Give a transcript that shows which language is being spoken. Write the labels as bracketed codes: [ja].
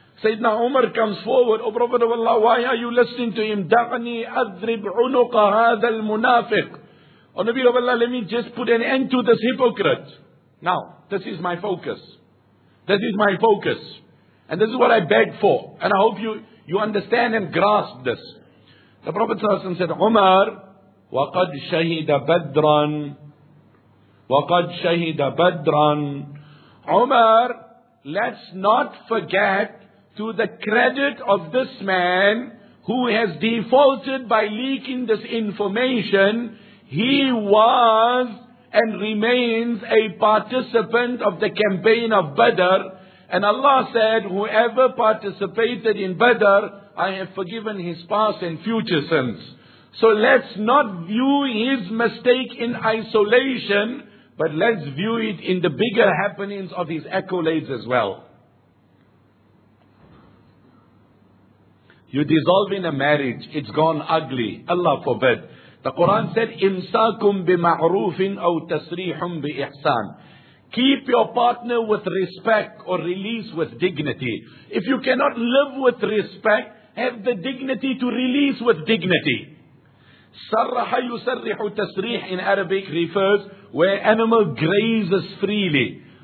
[en] Sayyidina Umar comes forward. O Prophet of Allah, why are you listening to him? [ar] Da'ni adrib unuqa hadha al-munafiq. [en] O Nabi of Allah, let me just put an end to this hypocrite. Now, this is my focus. This is my focus. And this is what I beg for. And I hope you understand and grasp this. The Prophet ﷺ said, Umar, [ar] وَقَدْ شَهِدَ بَدْرًا وَقَدْ شَهِدَ بَدْرًا. [en] Umar, let's not forget, to the credit of this man who has defaulted by leaking this information, he was and remains a participant of the campaign of Badr. And Allah said, whoever participated in Badr, I have forgiven his past and future sins. So let's not view his mistake in isolation, but let's view it in the bigger happenings of his accolades as well. You dissolve in a marriage, it's gone ugly. Allah forbid. The Quran said, [ar] إِمْسَاكُمْ بِمَعْرُوفٍ أَوْ تَسْرِيحٌ بِإِحْسَانٍ. [en] Keep your partner with respect or release with dignity. If you cannot live with respect, have the dignity to release with dignity. [ar] سَرَّحَ يُسَرِّحُ تَسْرِيح [en] in Arabic refers where animal grazes freely.